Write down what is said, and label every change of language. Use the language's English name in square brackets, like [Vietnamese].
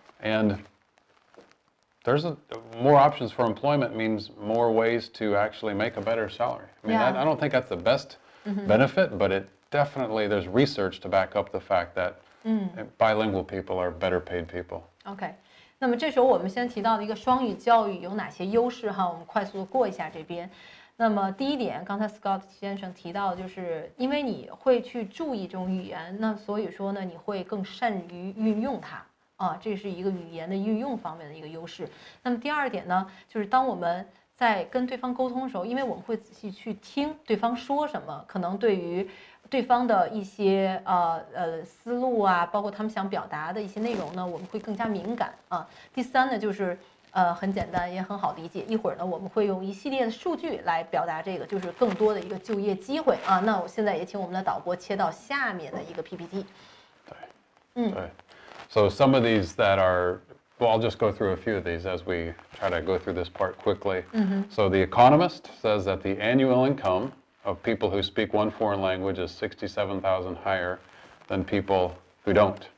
[English] And there's more options for employment means more ways to actually make a better salary. I mean, I don't think that's the best benefit, but it definitely, there's research to back up the fact that bilingual people are better paid people. Okay. [Chinese] 那么这时候我们先提到的一个双语教育有哪些优势哈，我们快速过一下这边。那么第一点，刚才 Scott 先生提到，就是因为你会去注意这种语言，那所以说呢，你会更善于运用它。啊，这是一个语言的运用方面的一个优势。那么第二点呢，就是当我们在跟对方沟通的时候，因为我们会仔细去听对方说什么，可能对于对方的一些思路啊，包括他们想表达的一些内容呢，我们会更加敏感啊。第三呢，就是很简单也很好理解，一会儿呢我们会用一系列的数据来表达这个，就是更多的一个就业机会啊。那我现在也请我们的导播切到下面的一个 PPT。对， [English] So some of these that are, well, I'll just go through a few of these as we try to go through this part quickly. Mm-hmm. So The Economist says that the annual income of people who speak one foreign language is 67,000 higher than people who don't.